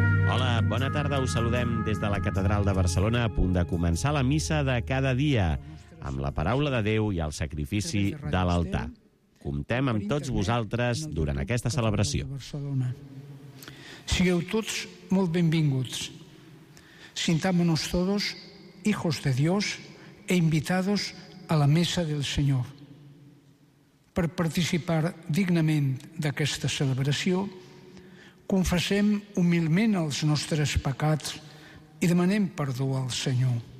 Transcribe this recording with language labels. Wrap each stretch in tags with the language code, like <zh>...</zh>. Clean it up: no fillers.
<ca>Hola, bona tarda, us saludem des de la Catedral de Barcelona, a punt de començar la missa de cada dia, amb la paraula de Déu i el sacrifici de l'altar. Comptem amb tots vosaltres durant aquesta celebració. Sigueu tots molt benvinguts.</ca> <es>Sintámonos todos, hijos de Dios, e invitados a la mesa del Señor.</es> <ca>Per participar dignament d'aquesta celebració, confessem humilment els nostres pecats i demanem perdó al Senyor.</ca>